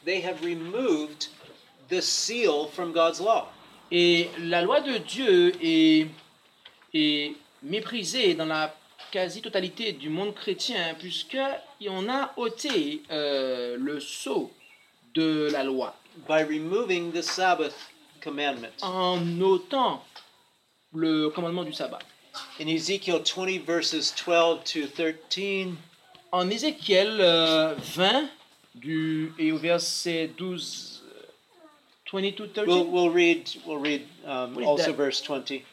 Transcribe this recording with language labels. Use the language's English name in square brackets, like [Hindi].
[English] They have removed the seal from God's law. [French] Et la loi de Dieu est méprisée dans la quasi-totalité du monde chrétien puisqu'on a ôté le sceau de la loi. [English] by removing the Sabbath commandment. [French] En ôtant le commandement du sabbat. [English] In Ezekiel 20, verses 12 to 13. [French] En Ézéchiel 20, du et au verset 12. [English] 20 to 13? We'll read also that? Verse 20.